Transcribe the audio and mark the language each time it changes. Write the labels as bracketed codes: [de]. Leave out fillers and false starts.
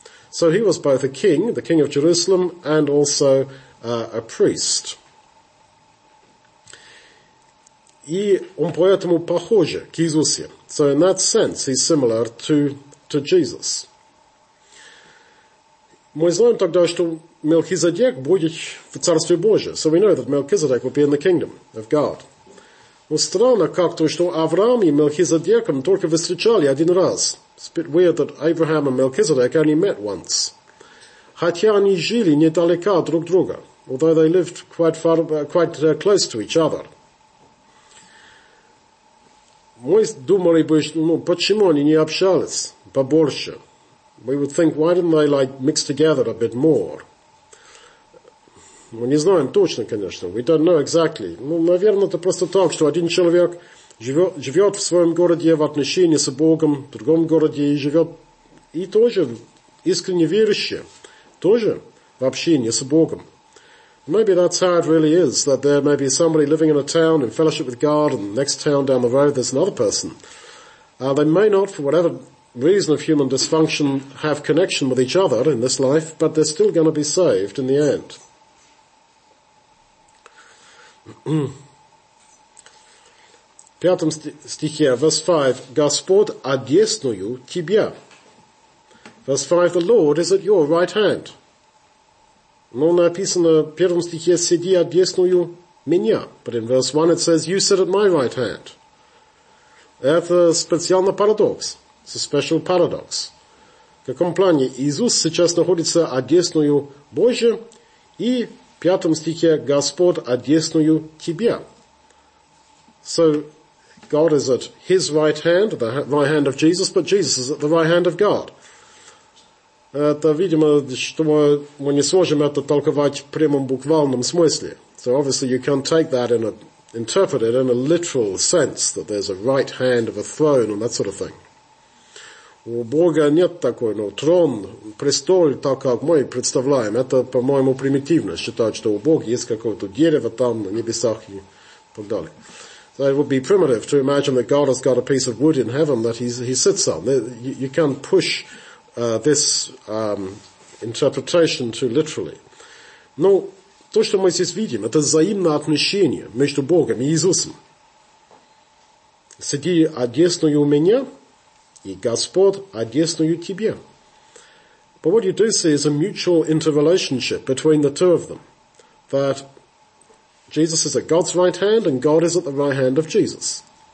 [en] So he was both a king, the king of Jerusalem, and also a priest. [ru] И он поэтому похож к Иисусу. [en] So in that sense, he's similar to Jesus. [ru] Мы знаем тогда, что Мелхизедек будет в Царстве Божьем. [en] So we know that Melchizedek will be in the kingdom of God. [ru] Но странно как-то, что Авраам и Мелхизедеком только встречали один раз. [en] It's a bit weird that Abraham and Melchizedek only met once. [ru] Хотя они жили недалеко друг друга, [en] although they lived quite close to each other. [ru] Мы думали бы, ну, почему они не общались побольше? [en] We would think, why didn't they, like, mix together a bit more? [ru] Мы не знаем точно, конечно. [en] We don't know exactly. [ru] Ну, наверное, это просто так, что один человек живет в своем городе в отношении с Богом, в другом городе и живет, и тоже искренне верующие, тоже в общении с Богом. [en] Maybe that's how it really is, that there may be somebody living in a town in fellowship with God, and the next town down the road there's another person. They may not, for whatever reason of human dysfunction, have connection with each other in this life, but they're still going to be saved in the end. [ru] Пятом стихе, [en] verse 5, [ru] Господь одесную тебя. [en] Verse 5, the Lord is at your right hand. [ru] Но написано в первом стихе «Сиди одесную меня». [en] But in verse 1 it says «You sit at my right hand». [ru] Это специальный парадокс. [en] It's a special paradox. [ru] В каком плане? Иисус сейчас находится одесную Божию, и в пятом стихе «Господь одесную тебя». [en] So, God is at his right hand, the right hand of Jesus, but Jesus is at the right hand of God. [ru] Это, видимо, что мы не сможем это толковать в прямом буквальном смысле. [en] So obviously you can't take that in interpret it in a literal sense, that there's a right hand of a throne and that sort of thing. [ru] У Бога нет такой, ну, трон, престол, так как мы представляем. Это, по-моему, примитивно считать, что у Бога есть какое-то дерево там на небесах и так далее. [en] So it would be primitive to imagine that God has got a piece of wood in heaven that he sits on. You can't push this interpretation too literally. [ru] Но то, что мы здесь видим, это взаимное отношение между Богом и Иисусом. Сиди одесную у меня, и Господь одесную тебе. [en] But what you do see is a mutual interrelationship between the two of them, that Jesus is at God's right hand, and God is at the right hand of Jesus.